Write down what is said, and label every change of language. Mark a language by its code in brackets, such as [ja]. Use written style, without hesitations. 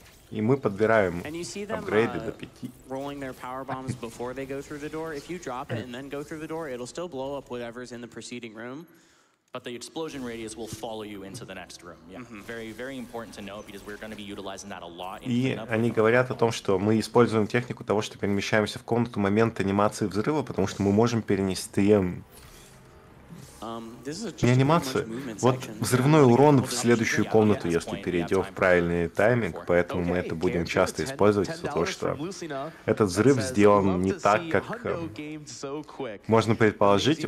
[ru] И мы подбираем апгрейды до 5. [en] Rolling their power bombs before they go through the door. If you drop it and then go through the door, it'll still blow up whatever's in the preceding room. But the explosion radius will follow you into the next room. Yeah, mm-hmm. Very, very important to know because we're going to be utilizing that a lot. [ru] И они говорят о том, что мы используем технику того, что перемещаемся в комнату в момент анимации взрыва, потому что мы можем перенести не анимацию. Вот взрывной урон в следующую комнату, если перейдем в правильный тайминг, поэтому мы это будем часто использовать, из-за того, что этот взрыв сделан не так, как можно предположить.